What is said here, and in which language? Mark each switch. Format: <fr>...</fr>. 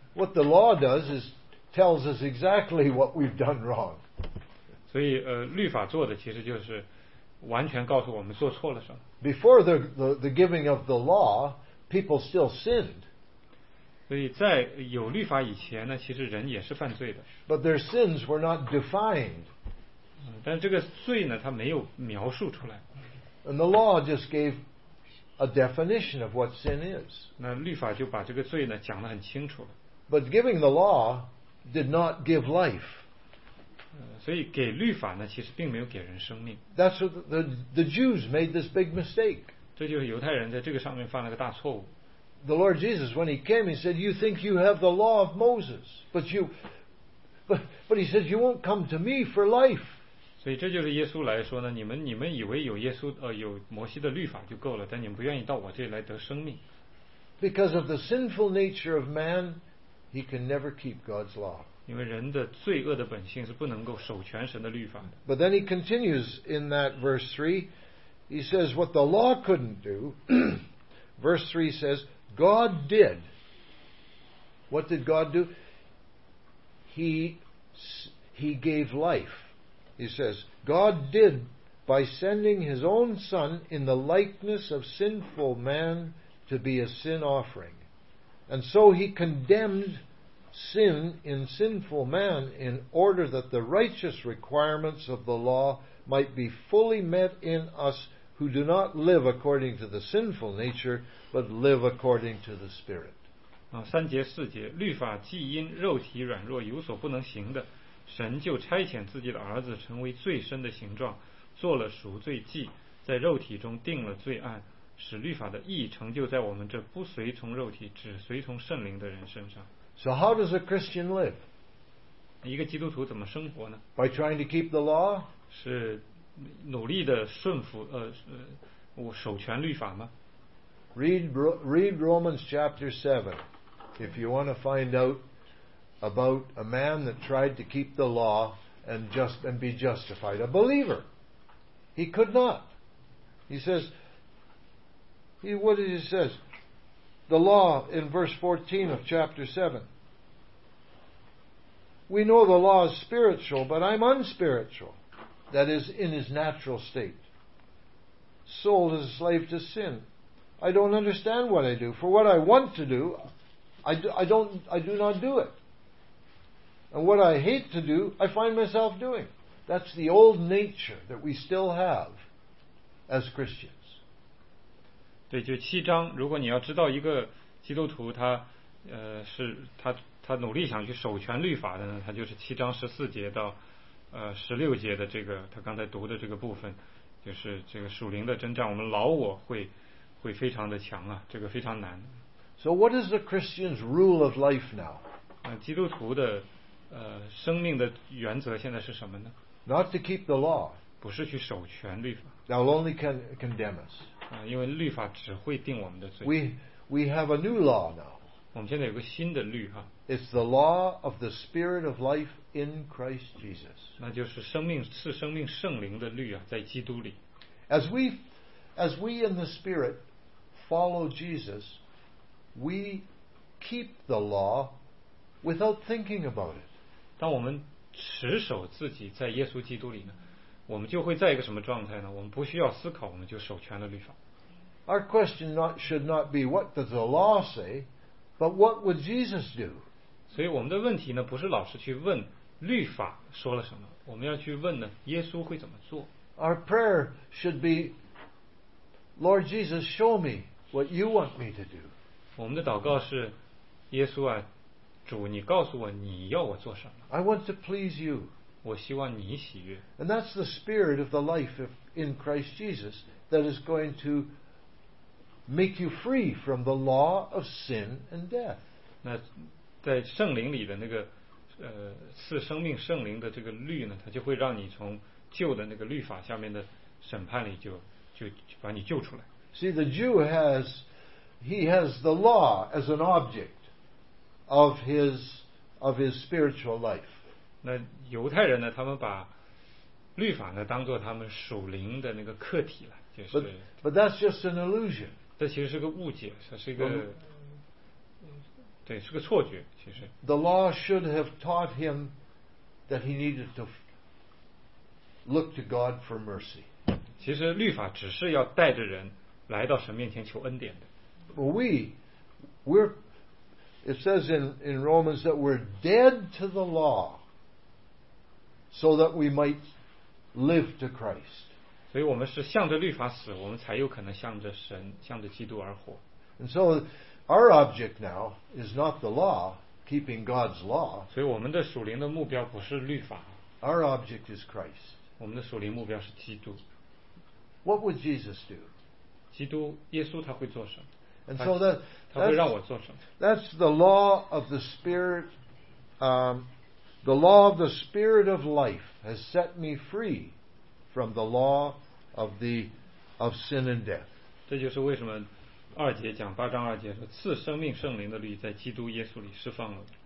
<en>What the law does is tells us exactly what we've done wrong.</en> <zh>所以律法做的其实就是完全告诉我们做错了什么。</zh> <en>Before the giving of the law, people still sinned.</en> <zh>所以在有律法以前呢，其实人也是犯罪的。</zh> <en>But their sins were not defined.</en> <zh>但这个罪呢，它没有描述出来。</zh> <en>And the law just gave a definition of what sin is.</en> <zh>那律法就把这个罪呢讲得很清楚了。</zh> <en>But giving the law did not give life.</en> <zh>所以给律法呢，其实并没有给人生命。</zh> <en>That's what the Jews made this big mistake.</en> <zh>这就是犹太人在这个上面犯了个大错误。</zh> <en>The Lord Jesus, when He came, He said, "You think you have the law of Moses, but He says you won't come to Me for life."</en> <zh>所以这就是耶稣来说呢，你们以为有耶稣有摩西的律法就够了，但你们不愿意到我这里来得生命。</zh> <en>Because of the sinful nature of man, he can never keep God's law.</en> <zh>因为人的罪恶的本性是不能够守全神的律法的。</zh> <en>But then he continues in that verse 3, he says what the law couldn't do. Verse 3 says, God did. What did God do? He gave life. He says, God did by sending His own Son in the likeness of sinful man to be a sin offering. And so He condemned sin in sinful man in order that the righteous requirements of the law might be fully met in us who do not live according to the sinful nature, but live according to the Spirit.</en> <zh>三节四节，律法既因肉体软弱有所不能行的，神就差遣自己的儿子成为罪身的形状，做了赎罪祭，在肉体中定了罪案，使律法的义成就在我们这不随从肉体只随从圣灵的人身上。</zh> <en>So how does a Christian live?</en> <zh>一个基督徒怎么生活呢？</zh> <en>By trying to keep the law?</en> <zh>是努力的顺服我守全律法吗？</zh> <en>Read Romans chapter 7 if you want to find out about a man that tried to keep the law and be justified, a believer. He could not. He says, the law in verse 14 of chapter 7. We know the law is spiritual, but I'm unspiritual. That is, in his natural state. Sold as a slave to sin. I don't understand what I do. For what I want to do, I do not do it. And what I hate to do, I find myself doing. That's the old nature that we still have as Christians.</en> <zh>对，就七章，如果你要知道一个基督徒他是他努力想去守全律法的呢，他就是七章十四节到十六节的这个他刚才读的这个部分，就是这个属灵的征战，我们老我会非常的强啊，这个非常难。</zh> <en>So what is the Christian's rule of life now?</en> <zh>基督徒的生命的原则现在是什么呢？</zh> <en>Not to keep the law.</en> <zh>不是去守全律法。</zh> <en>Now only can condemn us.</en> <zh>因为律法只会定我们的罪。</zh> <en>We have a new law now.</en> <zh>我们现在有个新的律啊。</zh> <en>It's the law of the Spirit of life in Christ Jesus.</en> <zh>那就是生命圣灵的律啊，在基督里。</zh> <en>As we in the Spirit follow Jesus, we keep the law. Without thinking about it.</en> <zh>当我们持守自己在耶稣基督里呢，我们就会在一个什么状态呢？我们不需要思考，我们就守全了律法。</zh> <en>Our question should not be what does the law say, but what would Jesus do?</en> <zh>所以我们的问题呢，不是老是去问律法说了什么，我们要去问呢，耶稣会怎么做。</zh> <en>Our prayer should be, Lord Jesus, show me what you want me to do.</en> <zh>我们的祷告是，耶稣啊。主，你告诉我你要我做什么。</zh> <en>I want to please you.</en> <zh>我希望你喜悦。</zh> <en>And that's the spirit of the life in Christ Jesus that is going to make you free from the law of sin and death.</en> <zh>那在圣灵里的那个赐生命圣灵的这个律呢，它就会让你从旧的那个律法下面的审判里就把你救出来。</zh> <en>See, the Jew has the law as an object. Of his spiritual life.</en> <zh>那犹太人呢？他们把律法呢当做他们属灵的那个客体了，就是。</zh> <en>But that's just an illusion.</en> <zh>这其实是个误解，它是一个，对，是个错觉，其实。</zh> <en>The law should have taught him that he needed to look to God for mercy.</en> <zh>其实律法只是要带着人来到神面前求恩典的。</zh> <en>It says in Romans that we're dead to the law so that we might live to Christ.</en> <zh>所以我们是向着律法死，我们才有可能向着神，向着基督而活。</zh> <en>And so our object now is not the law, keeping God's law.</en> <zh>所以我们的属灵的目标不是律法。</zh> <en>Our object is Christ.</en> <zh>我们的属灵目标是基督。</zh> <en>What would Jesus do?</en> <zh>基督，耶稣他会做什么？</zh> <en>And so that,</en> <zh>他会让我做什么？</zh> <en>That's the law of the spirit. The law of the spirit of life has set me free from the law of sin and death.</en> <zh>这就是为什么二节讲八章二节说赐生命圣灵的律在基督耶稣里释放了。</zh>